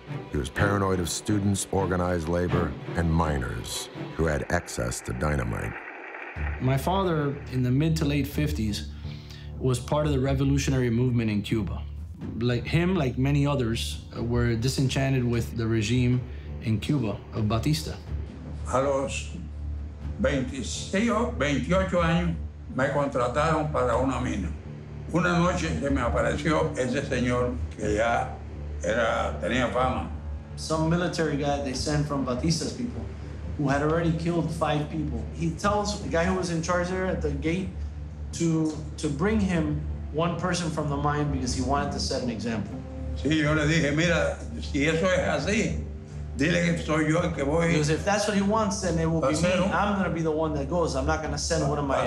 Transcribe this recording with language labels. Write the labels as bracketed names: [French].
[English] He was paranoid of students, organized labor, and miners who had access to dynamite. My father, in the mid to late 50s, was part of the revolutionary movement in Cuba. Like many others, were disenchanted with the regime in Cuba of Batista. [Spanish] A los 28 años, me contrataron para una mina. Una noche se me apareció ese señor que ya era, tenía fama. [English] Some military guy they sent from Batista's people, who had already killed 5 people. He tells the guy who was in charge there at the gate to bring him one person from the mine because he wanted to set an example. [Spanish] Sí, yo le dije, mira, si eso es así, dile que soy yo el que voy. [English] Because if that's what he wants, then it will be me. I'm going to be the one that goes. I'm not going to send one of my...